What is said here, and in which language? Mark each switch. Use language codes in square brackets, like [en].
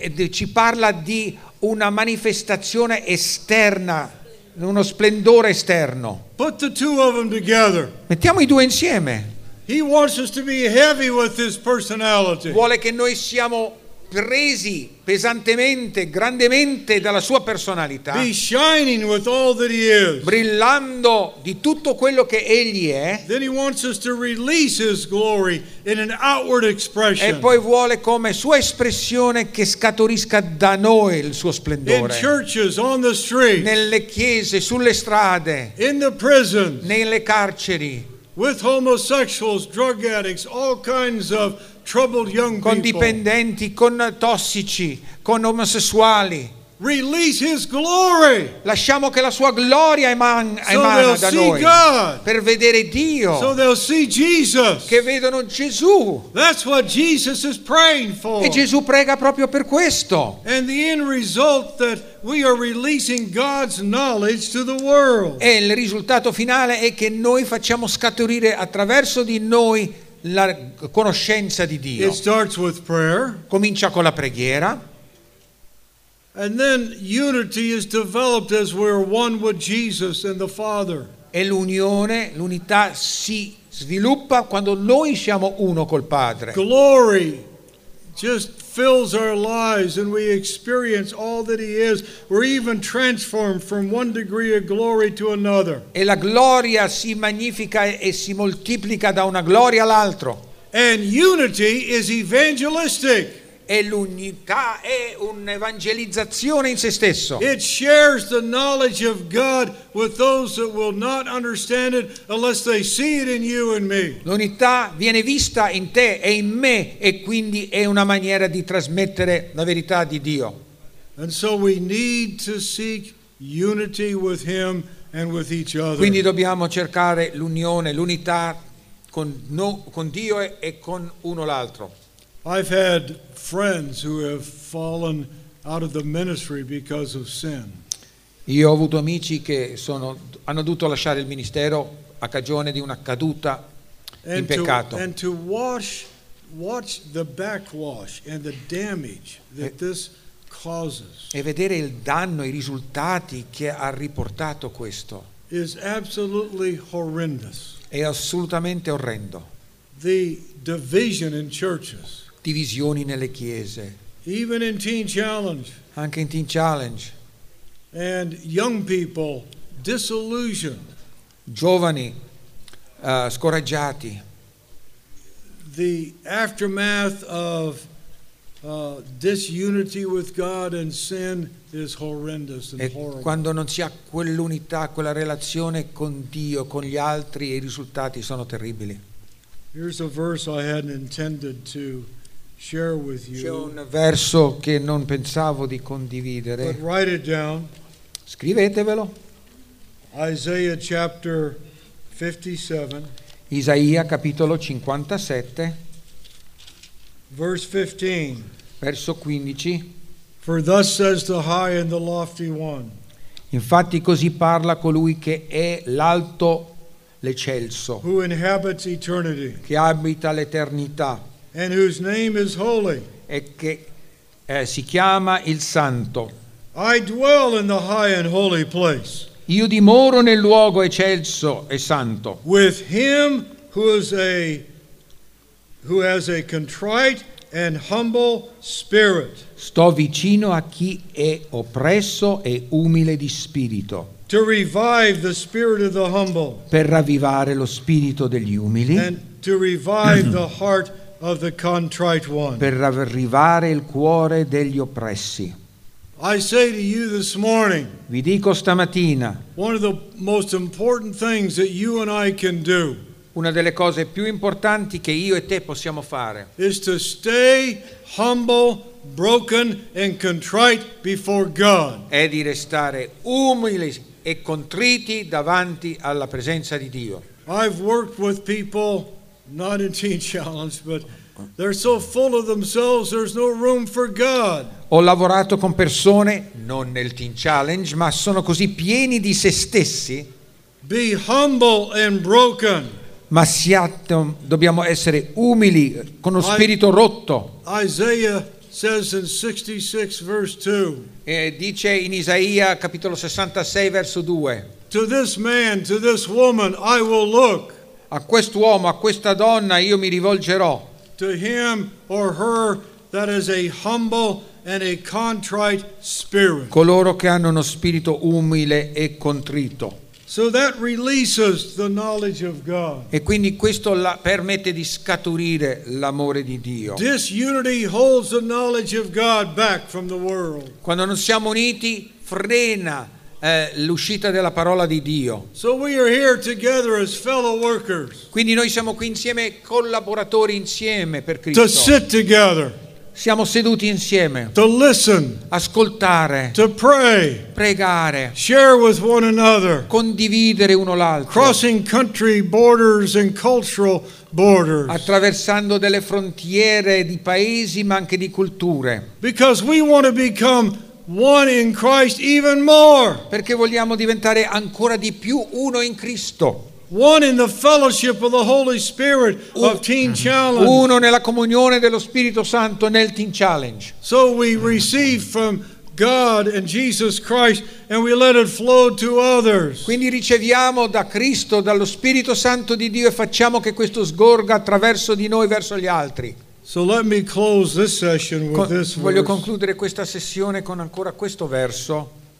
[it] Ci parla di una manifestazione esterna, uno splendore esterno. [en] Put the two of them together. [it] Mettiamo i due insieme. [en] He wants us to be heavy with his personality. [it] Vuole che noi siamo presi pesantemente, grandemente dalla sua personalità. [en] Be shining with all that he is. [it] Brillando di tutto quello che egli è. [en] Then he wants us to release his glory in an outward expression. [it] E poi vuole come sua espressione che scaturisca da noi il suo splendore. [en] In churches, on the street. [it] Nelle chiese, sulle strade. [en] In the prisons. [it] Nelle carceri. [en] With homosexuals, drug addicts, all kinds of troubled young people. [it] Con dipendenti, con tossici, con omosessuali. [en] Release his glory. [it] Lasciamo che la sua gloria emana [en] so [it] da [en] see [it] noi. [en] God. [it] Per vedere Dio. [en] So they'll see Jesus. [it] Che vedono Gesù. [en] That's what Jesus is praying for. [it] E Gesù prega proprio per questo. [en] And the end result that we are releasing God's knowledge to the world. [it] E il risultato finale è che noi facciamo scaturire attraverso di noi la conoscenza di Dio. [en] It starts with prayer. [it] Comincia con la preghiera. [en] And then unity is developed as we're one with Jesus and the Father. [it] E l'unione, l'unità si sviluppa quando noi siamo uno col Padre. [en] Glory just fills our lives and we experience all that he is. We're even transformed from one degree of glory to another. [it] E la gloria si magnifica e si moltiplica da una gloria all'altro. [en] And unity is evangelistic. [it] E l'unità è un'evangelizzazione in se stesso. [en] It shares the knowledge of God with those that will not understand it unless they see it in you and me. [it] L'unità viene vista in te e in me e quindi è una maniera di trasmettere la verità di Dio. [en] And so we need to seek unity with him and with each other. [it] Quindi dobbiamo cercare l'unione, l'unità con Dio e con uno l'altro. [en] I've had friends who have fallen out of the ministry because of sin. [it] Io ho avuto amici che hanno dovuto lasciare il ministero a cagione di una caduta in peccato. [en] And to watch the backwash and the damage that this causes. [it] E vedere il danno, i risultati che ha riportato questo. [en] Is absolutely horrendous. [it] È assolutamente orrendo. [en] The division in churches. [it] Divisioni nelle chiese. [en] Even in Teen Challenge. [it] Anche in Teen Challenge. [en] And young people disillusioned. [it] Giovani scoraggiati. [en] The aftermath of disunity with God and sin is horrendous and horrible. [it] Quando non si ha quell'unità, quella relazione con Dio, con gli altri, i risultati sono terribili. [en] Here's a verse I hadn't intended to share with you. [it] C'è un verso che non pensavo di condividere. [en] But write it down. [it] Scrivetevelo. [en] Isaiah chapter 57. [it] Isaia capitolo 57. [en] Verse 15. [it] Verso 15. [en] For thus says the high and the lofty one. [it] Infatti così parla colui che è l'alto, l'eccelso. [en] Who inhabits eternity. [it] Che abita l'eternità. [en] And whose name is holy. [it] E che si chiama il Santo. [en] I dwell in the high and holy place. [it] Io dimoro nel luogo eccelso e santo. [en] With him who has a contrite and humble spirit. [it] Sto vicino a chi è oppresso e umile di spirito. [en] To revive the spirit of the humble. [it] Per ravvivare lo spirito degli umili. [en] And to revive the heart of the contrite one. [it] Per ravvivare il cuore degli oppressi. [en] I say to you this morning, [it] vi dico stamattina, [en] one of the most important things that you and I can do, [it] una delle cose più importanti che io e te possiamo fare, [en] is to stay humble, broken and contrite before God. [it] È di restare umili e contriti davanti alla presenza di Dio. [en] I've worked with people, not in Teen Challenge, but they're so full of themselves, there's no room for God. [it] Ho lavorato con persone, non nel Teen Challenge, ma sono così pieni di se stessi. [en] Be humble and broken. [it] Ma siate, dobbiamo essere umili, con lo spirito rotto. [en] Isaiah says in 66 verse 2. [it] Dice in Isaia capitolo 66 verso 2. [en] To this man, to this woman, I will look. [it] A quest'uomo, a questa donna, io mi rivolgerò. [en] To him or her that is a humble and a contrite spirit. [it] Coloro che hanno uno spirito umile e contrito. [en] So that releases the knowledge of God. [it] E quindi questo la permette di scaturire l'amore di Dio. [en] Disunity holds the knowledge of God back from the world. [it] Quando non siamo uniti, frena l'uscita della parola di Dio. [en] So we are here together as fellow workers. [it] Quindi noi siamo qui insieme, collaboratori insieme per Cristo. [en] To sit together. [it] Siamo seduti insieme. [en] To listen. [it] Ascoltare. [en] To pray. [it] Pregare. [en] Share with one another. [it] Condividere uno l'altro. [en] Crossing country borders and cultural borders. [it] Attraversando delle frontiere di paesi ma anche di culture. [en] Because we want to become one in Christ even more. [it] Perché vogliamo diventare ancora di più uno in Cristo. [en] One in the fellowship of the Holy Spirit of Teen Challenge. [it] Uno nella comunione dello Spirito Santo nel Teen Challenge. [en] So we receive from God and Jesus Christ and we let it flow to others. [it] Quindi riceviamo da Cristo, dallo Spirito Santo di Dio e facciamo che questo sgorga attraverso di noi verso gli altri. [en] So let me close this session with this verse. [it] Voglio concludere questa sessione con ancora questo verso.